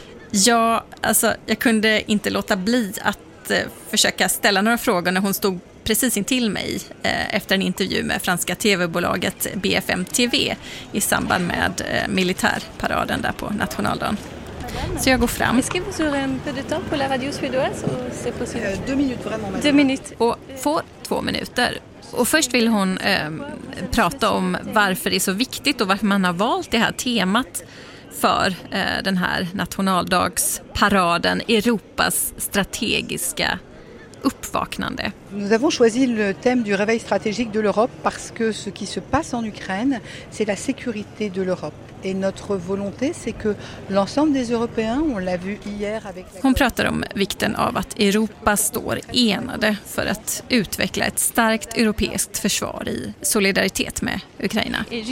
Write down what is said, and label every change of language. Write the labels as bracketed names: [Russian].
[Swedish] Ja, alltså, jag kunde inte låta bli att försöka ställa några frågor när hon stod precis intill mig efter en intervju med franska tv-bolaget BFM TV i samband med militärparaden där på nationaldagen. Så jag går fram. [French] Est-ce que vous aurez un peu de temps pour la radio suédoise ou c'est possible? Deux minutes vraiment madame. Deux minutes. [Swedish] Och får två minuter. Och först vill hon prata om varför det är så viktigt och varför man har valt det här temat för den här nationaldagsparaden, Europas strategiska uppvaknande. [French] Nous avons choisi le thème du réveil stratégique de l'Europe parce que ce qui se passe en Ukraine, c'est la sécurité de l'Europe. Et notre volonté c'est que l'ensemble des européens on l'a vu hier avec [Swedish] hon pratar om vikten av att Europa står enade för att utveckla ett starkt europeiskt försvar i solidaritet med Ukraina.